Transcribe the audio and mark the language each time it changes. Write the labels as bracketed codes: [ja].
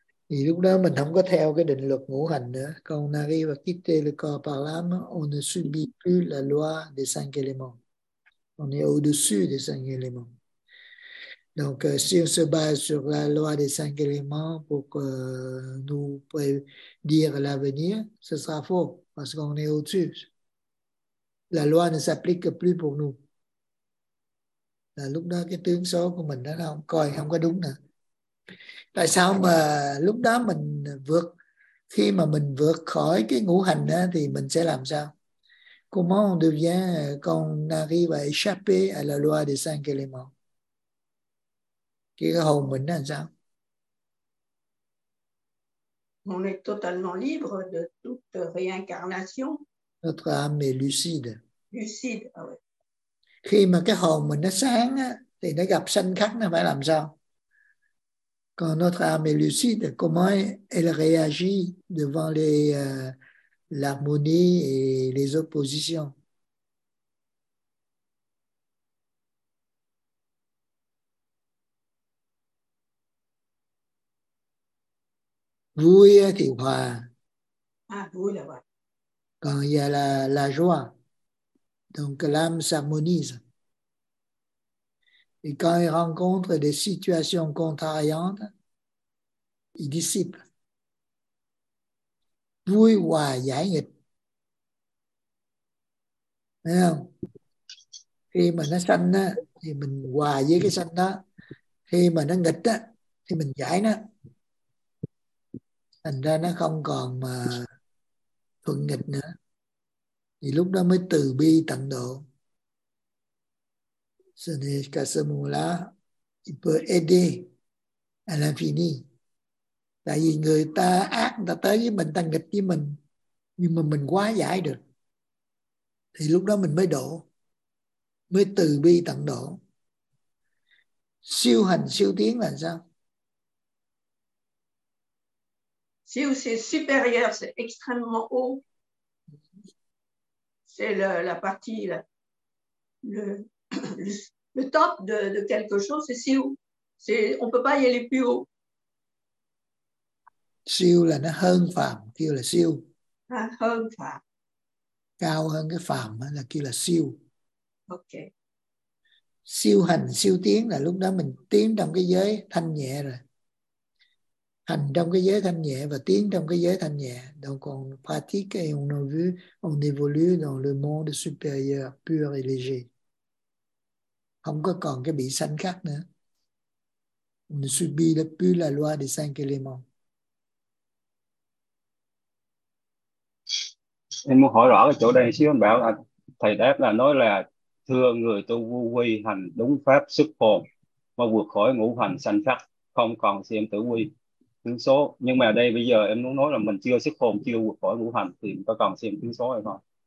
[vi] Thì lúc đó mình không có theo cái định luật ngũ hành nữa. [fr] Quand on arrive à quitter le corps par l'âme, on ne subit plus la loi des cinq éléments. On est au-dessus des cinq éléments. Donc, si on se base sur la loi des cinq éléments pour nous prédire l'avenir, ce sera faux parce qu'on est au-dessus. La loi ne s'applique plus pour nous. [vi] Là lúc đó cái tướng số của mình đó không coi không có đúng nè. Tại sao mà lúc đó mình vượt, khi mà mình vượt khỏi cái ngũ hành đó, thì mình sẽ làm sao? [fr] Comment on devient quand on arrive à échapper à la loi des cinq éléments? [vi] Cái hồn mình là sao? [fr] On est totalement libre de toute réincarnation. Notre âme est lucide. Lucide, ah oui. [vi] Khi mà cái hồn mình nó sáng á, thì nó gặp sanh khắc nó phải làm sao? [fr] Quand notre âme est lucide, comment elle réagit devant les l'harmonie et les oppositions? [vi] Vui thì hòa. Ah, vui là vậy. [fr] Quand il y a la joie, donc l'âme s'harmonise. Et quand il rencontre des situations contrariantes, il dissipe. [vi] Vui hòa giải nghịch. Thấy không? Khi mà nó sanh á, thì mình hòa với cái sanh đó. Khi mà nó nghịch á, thì mình giải nó. Thành ra nó không còn mà thuận nghịch nữa. Thì lúc đó mới từ bi tận độ. [fr] Ce n'est qu'à ce moment-là, il peut aider à l'infini. [vi] Tại vì người ta ác, người ta tới với mình, ta nghịch với mình. Nhưng mà mình quá giải được. Thì lúc đó mình mới độ. Mới từ bi tận độ. Siêu hành, siêu tiến là sao? [fr] Siêu, c'est supérieur, c'est extrêmement haut. C'est la partie, le top de quelque chose, c'est siêu. C'est, on ne peut pas y aller plus haut. [vi] Siêu là nó hơn phàm, kêu là siêu. À, hơn phàm. Cao hơn cái phàm là kêu là siêu. Ok. Siêu hành, siêu tiến là lúc đó mình tiến trong cái giới thanh nhẹ rồi. Hành trong cái giới thanh nhẹ và tiến trong cái giới thanh nhẹ. [fr] Donc on pratique et on a vu, on évolue dans le monde supérieur, pur et léger. [vi] Không có còn cái bị sanh khắc nữa. [fr] On ne subit plus la loi des cinq éléments. [vi] Em muốn hỏi rõ cái chỗ đây xíu, anh bảo là thầy đáp là nói là thưa người tu vô vi hành đúng pháp xuất hồn mà vượt khỏi ngũ hành sanh khắc, không còn xem tử vi tướng số. Nhưng mà đây bây giờ em muốn nói là mình chưa xuất hồn, chưa vượt khỏi ngũ hành thì có còn xem tướng số hay không?